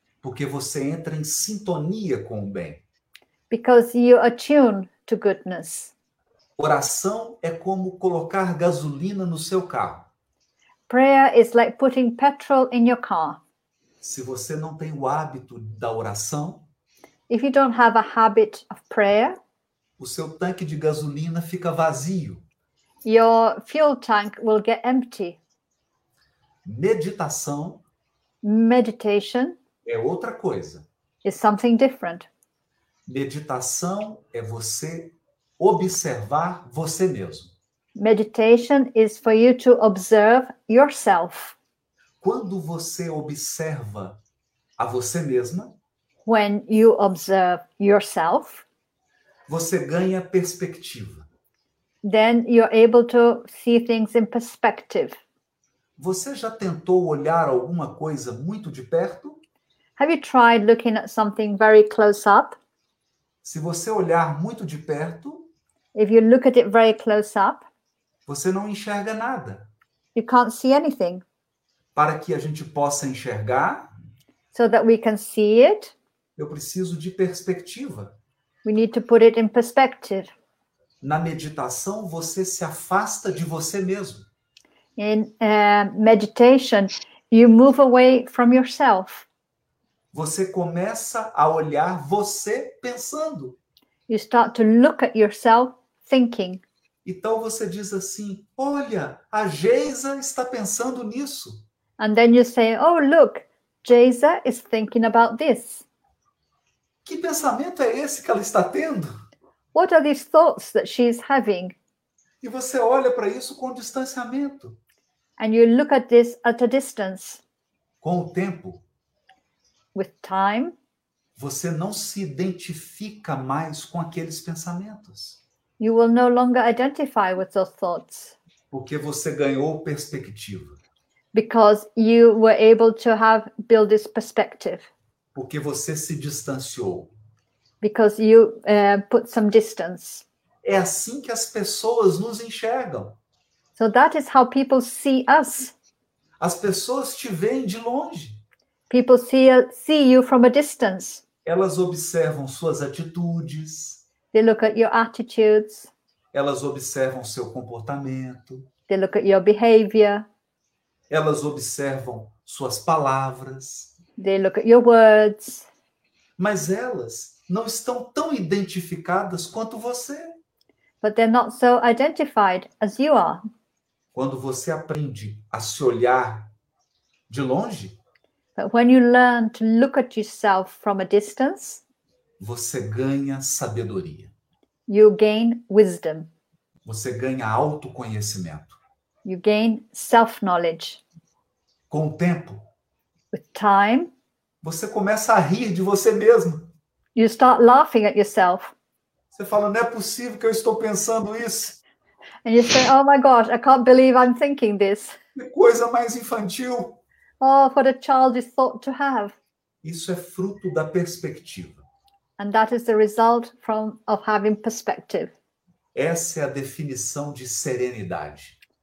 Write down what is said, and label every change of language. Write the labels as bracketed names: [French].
[Portuguese] Porque você entra em sintonia com o bem. [English] Because you attune to goodness. [Portuguese] Oração é como colocar gasolina no seu carro. [English] Prayer is like putting petrol in your car. [Portuguese] Se você não tem o hábito da oração, [English] if you don't have a habit of prayer, [Portuguese] o seu tanque de gasolina fica vazio. [English] Your fuel tank will get empty. [Portuguese] Meditação. [English] Meditation. [Portuguese] É outra coisa. [English] Is something different. [Portuguese] Meditação é você observar você mesmo. [English] Meditation is for you to observe yourself. [Portuguese] Quando você observa a você mesma, [English] when you observe yourself, [Portuguese] você ganha perspectiva. [English] Then you're able to see things in perspective. [Portuguese] Você já tentou olhar alguma coisa muito de perto? [English] Have you tried looking at something very close up? [Portuguese] Se você olhar muito de perto, [English] if you look at it very close up, [Portuguese] você não enxerga nada. [English] You can't see anything. [Portuguese] Para que a gente possa enxergar, [English] so that we can see it, [Portuguese] eu preciso de perspectiva. [English] We need to put it in perspective. [Portuguese] Na meditação, você se afasta de você mesmo. [English] In meditation, you move away from yourself. [Portuguese] Você começa a olhar você pensando. [English] You start to look at yourself thinking. [Portuguese] Então você diz assim, olha, a Geisa está pensando nisso. [English] And then you say, oh, look, Geisa is thinking about this. [Portuguese] Que pensamento é esse que ela está tendo? [English] What are these thoughts that she's having? [Portuguese] E você olha para isso com distanciamento. [English] And you look at this at a distance. [Portuguese] Com o tempo. [English] With time. [Portuguese] Você não se identifica mais com aqueles pensamentos. [English] You will no longer identify with those thoughts. [Portuguese] Porque você ganhou perspectiva. [English] Because you were able to have build this perspective. [Portuguese] Porque você se distanciou. [English] Because you put some distance. [Portuguese] É assim que as pessoas nos enxergam. [English] So that is how people see us. [Portuguese] As pessoas te veem de longe. [English] People see you from a distance. [Portuguese] Elas observam suas atitudes. [English] They look at your attitudes. [Portuguese] Elas observam seu comportamento. [English] They look at your behavior. [Portuguese] Elas observam suas palavras. [English] They look at your words. [Portuguese] Mas elas não estão tão identificadas quanto você. [English] But they're not so identified as you are. [Portuguese] Quando você aprende a se olhar de longe, [English] but when you learn to look at yourself from a distance, [Portuguese] você ganha sabedoria. [English] You gain wisdom. [Portuguese] Você ganha autoconhecimento. [English] You gain self-knowledge. [Portuguese] Com o tempo. [English] With time. [Portuguese] Você começa a rir de você mesmo. [English] You start laughing at yourself. [Portuguese] Você fala, não é possível que eu estou pensando isso. [English] And you say, oh my gosh, I can't believe I'm thinking this. [Portuguese] Que coisa mais infantil. [English] Oh, what a childish thought to have. [Portuguese] Isso é fruto da perspectiva. [English] And that is the result of having perspective. [Portuguese] Essa é a definição de serenidade.